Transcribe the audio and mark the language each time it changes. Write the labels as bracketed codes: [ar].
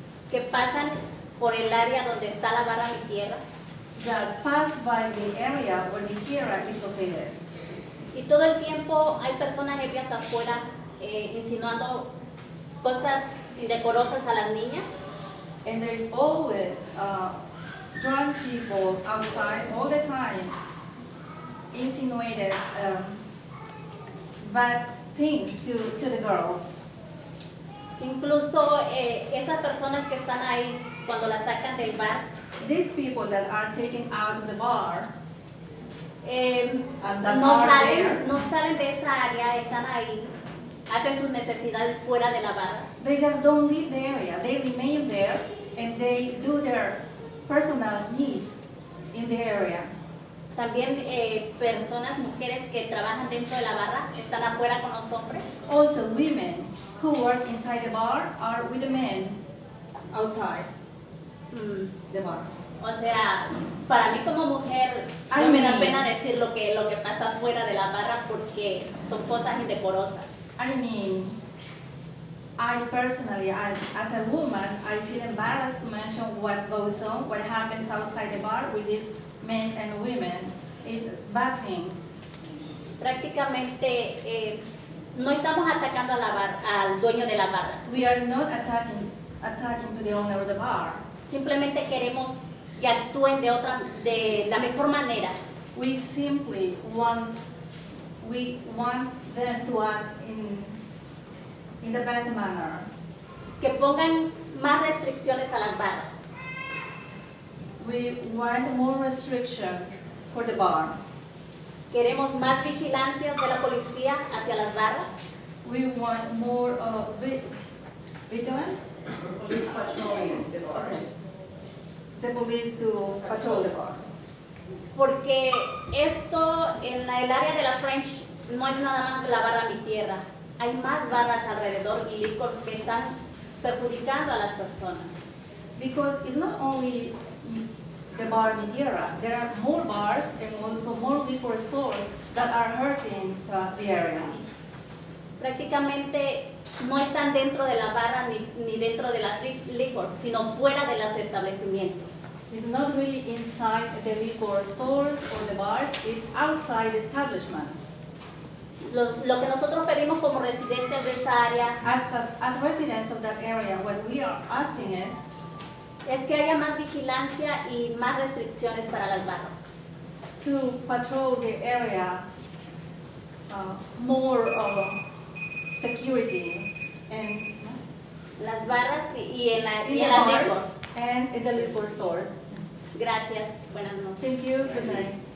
[es] Que pasan por el área donde está la barra mi tierra. [en] That pass by the area where mi tierra is located. [es] Y todo el tiempo hay personas ebrias afuera insinuando cosas indecorosas a las niñas. [en] And there is always drunk people outside all the time insinuated bad things to the girls. [es] Incluso esas personas que están ahí cuando las sacan del bar. [en] These people that are taken out of the bar. [es] No salen de esa área, están ahí. Hacen sus necesidades fuera de la barra. [en] They just don't leave the area. They remain there and they do their personal needs in the area. [es] También personas, mujeres que trabajan dentro de la barra, están afuera con los hombres. [en] Also women who work inside the bar are with the men outside the bar. [es] O sea, para mí como mujer, me da pena decir lo que pasa fuera de la barra porque son cosas indecorosas. [en] I mean, as a woman, I feel embarrassed to mention what goes on, what happens outside the bar with these men and women. It's bad things. [es] Prácticamente, no estamos atacando al dueño de la barra. [en] We are not attacking to the owner of the bar. [es] Simplemente queremos que actúen de la mejor manera. [en] We simply want them to act in the best manner. [es] Que pongan más restricciones a las barras. [en] We want more restrictions for the bar. [es] Queremos más vigilancia de la policía hacia las barras. [en] We want more vigilance. Police patrolling the bars. The police to patrol the bar. [es] Porque esto en el área de la French no es nada más la barra mi tierra. Hay más barras alrededor y licor que están perjudicando a las personas. [en] Because it's not only the bar mi tierra. There are more bars and also more liquor stores that are hurting the area. [es] Prácticamente no están dentro de la barra ni dentro de la liquor, sino fuera de los establecimientos. [en] It's not really inside the liquor stores or the bars, it's outside the establishments. [es] Lo que nosotros pedimos como residentes de esta área, [en] as residents of that area, what we are asking is, [es] es que haya más vigilancia y más restricciones para las barras. [en] To patrol the area more of security and [es] las barras y en [en] the bars and in the liquor stores. [es] Gracias. Buenas noches. [en] Thank you. Good night.